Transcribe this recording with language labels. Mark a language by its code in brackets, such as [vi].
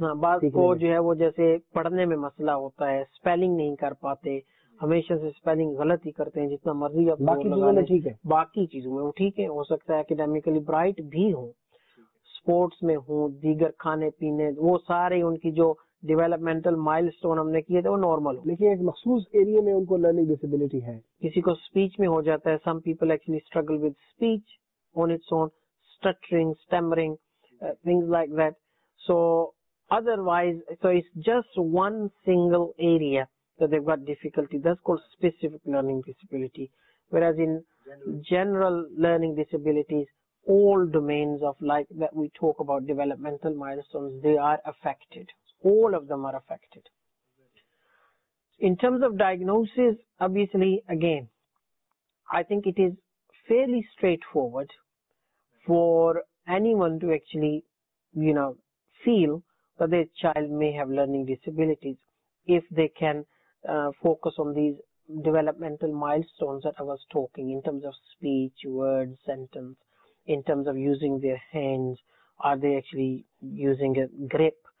[hi] Haan, baat ko jo hai wo jaise padhne mein masla hota hai, spelling nahi kar pate, hamesha se spelling galat hi karte hain jitna marzi aap baaki cheezon mein theek hai, baaki cheezon mein wo theek hai, ho sakta hai academically bright bhi ho, sports mein ho, deegar khane peene wo sare unki jo developmental milestone हमने किए थे वो normal हो, लेकिन एक मखसूस area में उनको लर्निंग डिसेबिलिटी है, किसी को स्पीच में हो जाता है, [en] Some people actually struggle with speech on its own, stuttering, stammering, things like that, so otherwise so it's just one single area that they got difficulty, that's called specific learning disability, whereas in general learning disabilities all domains of life that we talk about developmental milestones they are affected. All of them are affected. In terms of diagnosis, obviously, again, I think it is fairly straightforward for anyone to actually, you know, feel that their child may have learning disabilities if they can focus on these developmental milestones that I was talking in terms of speech, words, sentence, in terms of using their hands, are they actually using a grip?